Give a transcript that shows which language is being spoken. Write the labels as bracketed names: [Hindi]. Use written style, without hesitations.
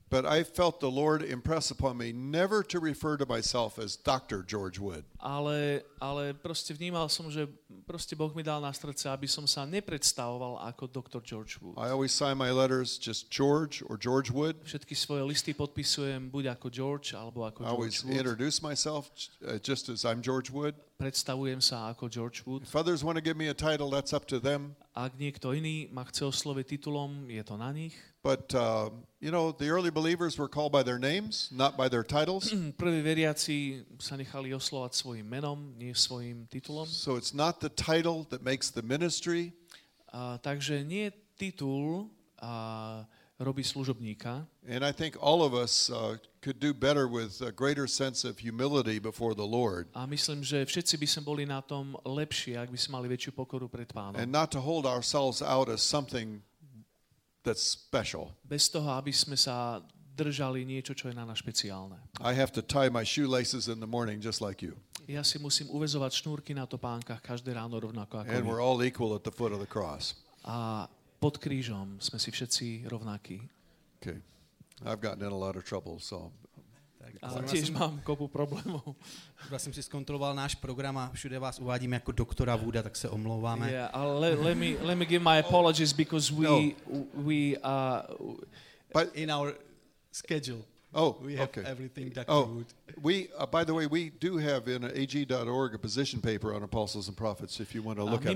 [English] But I felt the Lord impress upon me never to refer to myself as Dr. George Wood. [Slovak] Ale proste vnímal som, že proste Boh mi dal na srdce, aby som sa nepredstavoval ako Dr. George Wood. [English] I always sign my letters just George or George Wood. [Slovak] Všetky svoje listy podpisujem buď ako George alebo ako George [English] Wood. I always introduce myself just as I'm George Wood. [Slovak] Predstavujem sa ako George Wood. [English] If others want to give me a title, that's up to them. [Slovak] Ak niekto iný ma chce osloviť titulom, je to na nich. [English] But you know, the early believers were called by their names, not by their titles. [Slovak] Prví veriaci sa nechali oslovať svojim menom, nie svojim titulom. [English] So it's not the title that makes the ministry. [Slovak] Takže nie titul robí služobníka. [English] And I think all of us could do better with a greater sense of humility before the Lord. [Slovak] A myslím, že všetci by sme boli na tom lepšie, ak by sme mali väčšiu pokoru pred Pánom. [English] And not to hold ourselves out as something that's special. [Slovak] Bez toho, aby sme sa držali niečo, čo je na nás špeciálne. [English] I have to tie my shoelaces in the morning just like you. [Slovak] Ja si musím uväzovať šnúrky na topánkach každé ráno rovnako ako vy. [English] And we're all equal at the foot of the cross. [Slovak] A pod krížom sme si všetci rovnakí. [English] Okay. I've gotten in a lot of trouble, so. [Slovak] Ale tiež mám kopu problémov. [Czech] Ja som si skontroloval náš program a všude vás uvádím ako doktora Wooda, tak sa omlouváme. [English] Yeah, let me give my apologies because we are but in our schedule. Oh, we have okay. Everything Dr. Oh, Wood. We by the way, we do have in ag.org a position paper on apostles and prophets if you want to look at it.